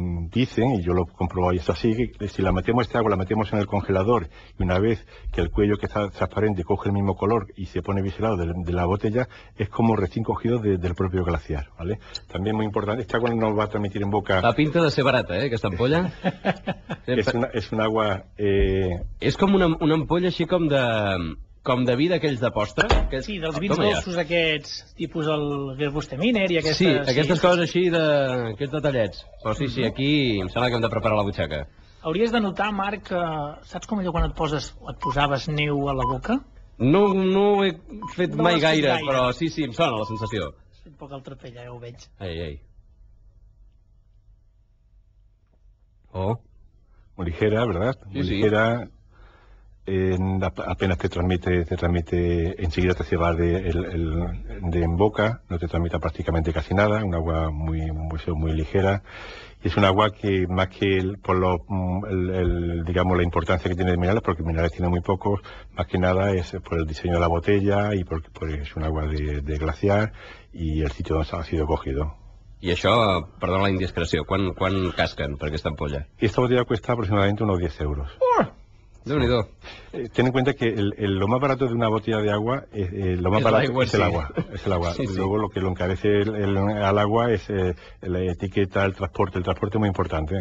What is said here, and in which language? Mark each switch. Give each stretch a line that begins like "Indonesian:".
Spanish: Dicen, y yo lo he comprobado y es así, que si la metemos este agua, la metemos en el congelador, y una vez que el cuello que está transparente coge el mismo color y se pone biselado de la botella, es como recién cogido del propio glaciar, ¿vale? También muy importante, este agua no va a transmitir en boca... La pinta de ser barata, que esta ampolla... es un agua... Es como una ampolla así como de...
Catalan: Com de vi d'aquells de postre. Aquests... Sí, dels vins dolços aquests, tipus el Gewürztraminer i aquestes... Sí, aquestes sí. Coses així, aquests detallets. Però sí, sí, aquí em sembla que hem de preparar la butxaca. Hauries de notar, Marc, que saps com allò quan et posaves neu a la boca? No ho he fet mai gaire, però sí, sí, em sona la sensació. Un poc el trapell, ja ho veig. Ei, ei. Oh.
Spanish: Muy ligera, ¿verdad? Sí, muy ligera. Apenas te transmite enseguida te lleva de en boca, no te transmite prácticamente casi nada, un agua muy ligera. Y es un agua que más que por la importancia que tiene de minerales, porque minerales tiene muy pocos, más que nada es por el diseño de la botella y porque es un agua de glaciar y el sitio donde ha sido cogido.
Catalan: I això, perdona la indiscreció, quan casquen per aquesta ampolla?
Spanish: Esta botella cuesta aproximadamente unos 10 euros.
Catalan: Oh! Déu-n'hi-do.
Spanish: Ten en cuenta que lo más barato de una botella de agua es el agua. Sí, luego sí. Lo que lo encarece al agua es la etiqueta, el transporte es muy importante.